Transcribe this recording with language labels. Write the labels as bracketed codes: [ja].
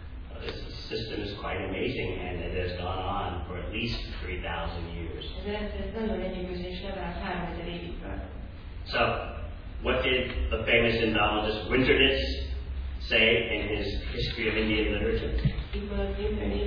[en] Well, this system is quite amazing and it has gone on for at least 3,000 years. [hu] Ez a rendszer nagyon lenyűgöző és legalább 3000 évig tart. [en] So, what did the famous Indologist Winternitz say in his History of Indian Literature?